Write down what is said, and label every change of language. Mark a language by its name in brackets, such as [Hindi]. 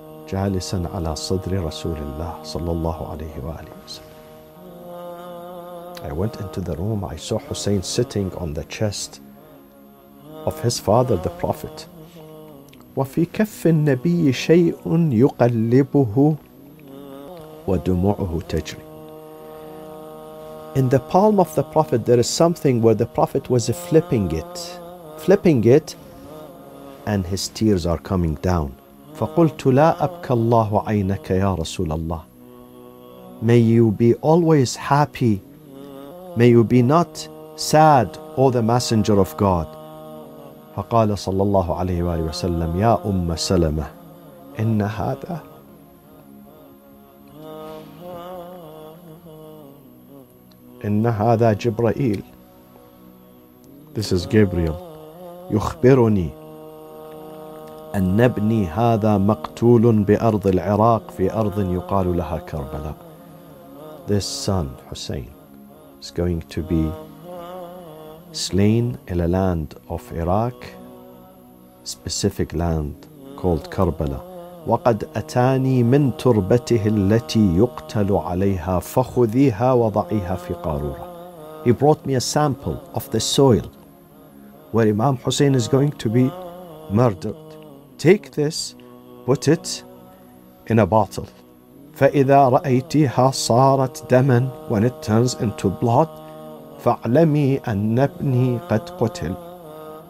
[Arabic] جالسا على صدر رسول الله صلى الله عليه وآله وسلم. [English] I went into the room. I saw Hussein sitting on the chest of his father, the Prophet. [Arabic] وفي كف النبي شيء يقلبه ودموعه تجري. [English] In the palm of the Prophet, there is something where the Prophet was flipping it, and his tears are coming down. [Arabic] فقلت لا أبكى الله عينك يا رسول الله. [English] May you be always happy. May you be not sad, O the Messenger of God. [Arabic] فقال صلى الله عليه وآله وسلم يا أم سلمة إن هذا. إن هذا جبرائيل. [English] This is Gabriel. [Arabic] يخبرني أن ابني هذا مقتول بأرض العراق في أرض يقال لها كربلاء. [English] This son, Hussein, is going to be slain in a land of Iraq, specific land called كربلاء. [Arabic] وقد أتاني من تربته التي يقتل عليها فخذيها وضعيها في قارورة. [English] He brought me a sample of the soil where Imam Hussein is going to be murdered. Take this, put it in a bottle. [Arabic] فَإِذَا رَأَيْتِهَا صَارَتْ دَمًا. [English] When it turns into blood, [Arabic] فَعْلَمِي أَنَّ ابْنِي قَدْ قُتِلْ.